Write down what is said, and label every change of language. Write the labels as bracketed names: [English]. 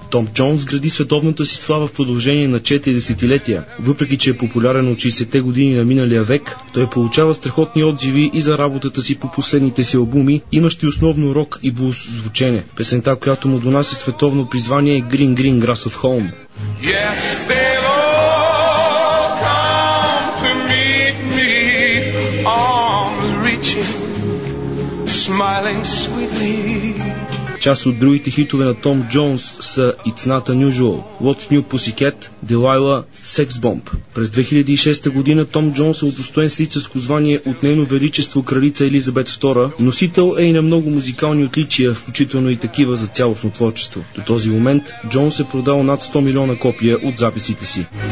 [Bulgarian] Том Джонс гради световната си слава в продължение на 4 десетилетия. Въпреки че е популярен от 60-те години на миналия век, той получава страхотни отзиви и за работата си по последните си албуми, имащи основно рок и блуз звучене. Песента, която му донася световно призвание, Green Green Grass of Home. [English] Yes, they'll all come to meet me, arms reaching, smiling sweetly. [Bulgarian] Част от другите хитове на Том Джонс са It's Not Unusual, What's New Pussycat, Delilah, Sex Bomb. През 2006 година Том Джонс е удостоен с лицарско звание от нейно величество кралица Елизабет II, носител е и на много музикални отличия, включително и такива за цялостно творчество. До този момент Джонс е продал над 100 милиона копия от записите си.